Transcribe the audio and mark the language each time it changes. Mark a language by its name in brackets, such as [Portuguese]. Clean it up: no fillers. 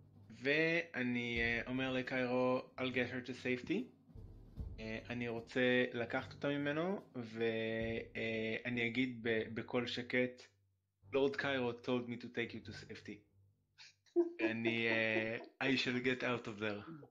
[Hebrew] ואני אומר לקיירו, [English] I'll get her to safety. [Hebrew] אני רוצה לקחת אותה ממנו ואני אגיד בקול שקט, [English] Lord Cairo told me to take you to safety. [Hebrew] אני [English] I shall get out of there.